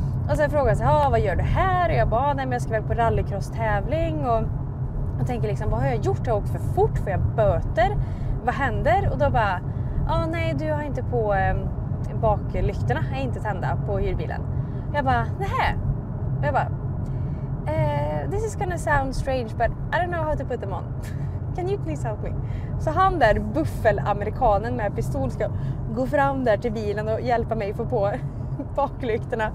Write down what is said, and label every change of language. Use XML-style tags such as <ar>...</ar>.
<sv>Och sen frågar jag så, vad gör du här? Och jag bara, nej men jag ska väl på rallycross-tävling. Och jag tänker liksom, vad har jag gjort? Jag åker för fort, får jag böter? Vad händer? Och då bara, nej du har inte på baklyktorna. Jag är inte tända på hyrbilen. Jag bara, nej. Jag bara,</sv> <en>this is gonna sound strange but I don't know how to put them on. Can you please help me?</en> <sv>Så han där buffelamerikanen med pistol ska gå fram där till bilen och hjälpa mig få på baklyktorna.</sv>